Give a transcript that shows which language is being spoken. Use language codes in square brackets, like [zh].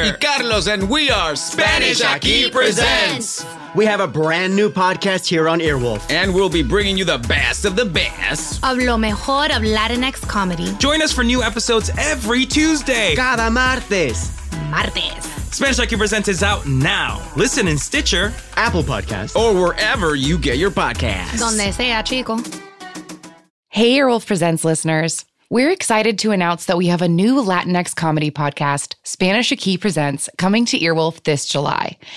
[en] y Carlos, and we are Spanish Aquí Presents! We have a brand new podcast here on Earwolf. And we'll be bringing you the best of the best. Of [es] lo mejor [en] of Latinx comedy. Join us for new episodes every Tuesday. [es] Cada martes. Martes. [en] Spanish Aquí Presents is out now. Listen in Stitcher, Apple Podcasts, or wherever you get your podcasts. [es] Donde sea, chico. [en] Hey, Earwolf Presents listeners. We're excited to announce that we have a new Latinx comedy podcast, Spanish Aquí Presents, coming to Earwolf this July.